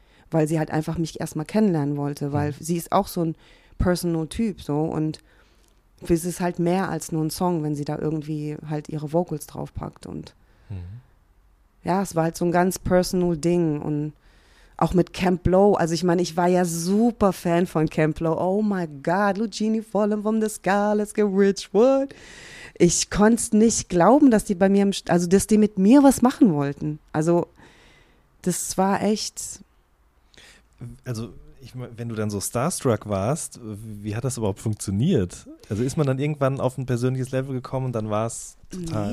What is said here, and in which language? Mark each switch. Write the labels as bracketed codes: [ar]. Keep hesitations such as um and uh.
[de] Weil sie halt einfach mich erstmal kennenlernen wollte, weil sie ist auch so ein Personal-Typ so und es ist halt mehr als nur ein Song, wenn sie da irgendwie halt ihre Vocals draufpackt und Mhm. ja, es war halt so ein ganz personal Ding und auch mit Camp Low, also ich meine, ich war ja super Fan von Camp Low. [en] Oh my God, Lucini fallen from the sky, let's get rich, what? [de] Ich konnte es nicht glauben, dass die bei mir, im, St- also dass die mit mir was machen wollten. Also das war echt, Also, ich, mein, wenn du dann so starstruck warst, wie hat das überhaupt funktioniert? Also ist man dann irgendwann auf ein persönliches Level gekommen und dann war es total.